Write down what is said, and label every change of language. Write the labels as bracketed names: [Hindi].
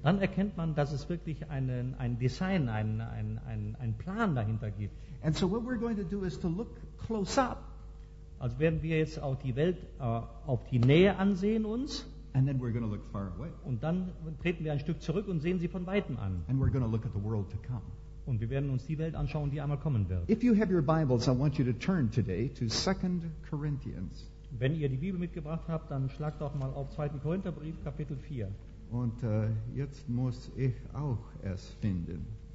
[German] Dann erkennt man, dass es wirklich ein Design, ein Plan dahinter gibt. [English] And so what we're going to do is to look close up [German] Also werden wir jetzt auch die Welt auf die Nähe ansehen uns. [English] And then we're going to look far away. [German] Und dann treten wir ein Stück zurück und sehen sie von Weitem an. [English] And we're going to look at the world to come. [German] Und wir werden uns die Welt anschauen, die einmal kommen wird. [English] If you have your Bibles, I want you to turn today to 2 Corinthians. [German] Wenn ihr die Bibel mitgebracht habt, dann schlagt doch mal auf 2. Korintherbrief, Kapitel 4. Und jetzt muss ich auch es finden.